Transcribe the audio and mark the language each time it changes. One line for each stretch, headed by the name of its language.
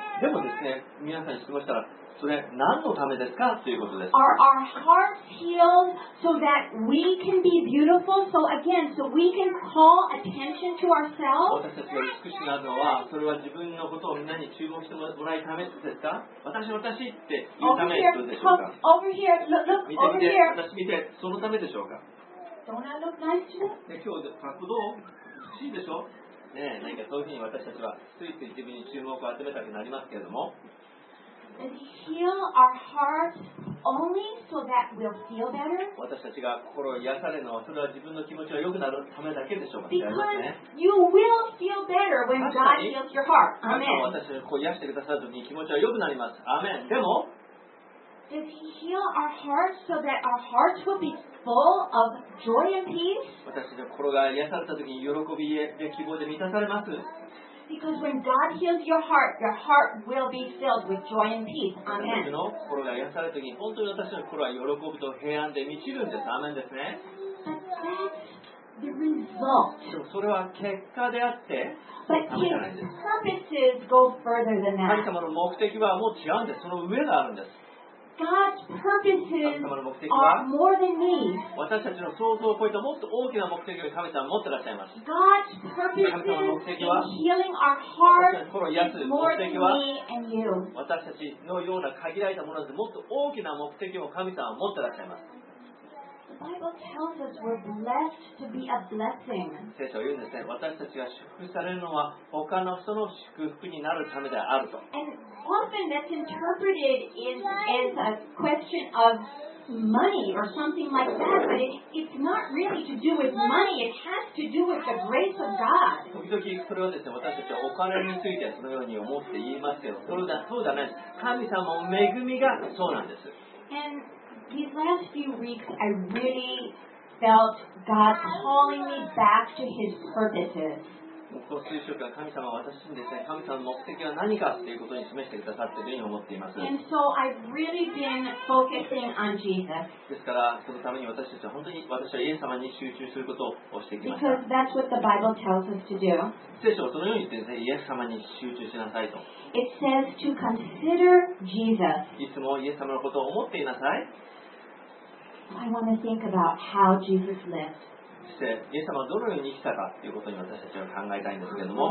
Japanese: でもですね、皆さんに質問したら、それ何のためですかということです。
English: Are our hearts healed so that we can be beautiful? So again, so we can call attention to ourselves?
Japanese: 私たちが美しくなるのは、それは自分のことをみんなに注目してもらうためですか？私って言うためでしょうか？
English: Over here, look, over here.
Japanese: 私見て、そのためでしょうか？
English: Don't I look nice to you?
Japanese: 今日、格好どう？美しいでしょ？ねえ、何かそういうふうに私たちはついつい自分に注目を集めたくなりますけれども。
English: Heal our hearts only so that we'll feel better.
Japanese: 私たちが心を癒されるのはそれは自分の気持ちが良くなるためだけでしょうか。
English: Because you will feel better when God heals your heart. Amen.
Japanese: 神様は私たちを癒してくださるときに気持ちは良くなります。 Amen. でも、
English: Does He heal our hearts so that our hearts will be full of joy and peace?
Japanese: 私たちの心が癒されたときに喜びで希望で満たされます。
English: Because when God heals your heart will be filled with joy and peace. Amen.
Japanese: 私の心が癒されたときに、本当に私の心は喜びと平安で満ちるんです。アメンですね。
English: The result.
Japanese: それは結果であって、
English: But His purposes go further than that.
Japanese: 神様の目的はもう違うんです。その上があるんです。
English: God's purposes are more than me.
Japanese: 私たちの想像を超えたもっと大きな目的を神様は持っていらっしゃいます。
English: God's purposes in healing our hearts is more than me and you.
Japanese: 私たちのような限られたものでもっと大きな目的を神様は持っていらっしゃいます。
English: The Bible tells us we're blessed to be a blessing.
Japanese: 聖書は言うんですね。私たちが祝福されるのは他の人の祝福になるためであると。
English: Often that's interpreted as a question of money or something like that, but it's not really to do with money. It has to do with the grace of God.
Japanese: 時々それをですね、私たちはお金についてそのように思って言いますけど、それだそうじゃない。神様の恵みがそうなんです。
English: And these last few weeks, I really felt God calling me back to His purposes.
Japanese: この数週間、神様は私にですね、神様の目的は何かということに示してくださっているように思っています。
English: And so I've really been focusing on Jesus.
Japanese: ですから、そのために私たちは本当に私はイエス様に集中することをしてきました。
English: Because that's what the Bible tells us to do.
Japanese: 聖書はそのように言ってですね、イエス様に集中しなさいと。
English: It says to consider Jesus.
Japanese: いつもイエス様のことを思っていなさい。
English: I want to think about how Jesus lived.
Japanese: そして、イエス様はどのように生きたかということに私たちは考えたいんですけれども。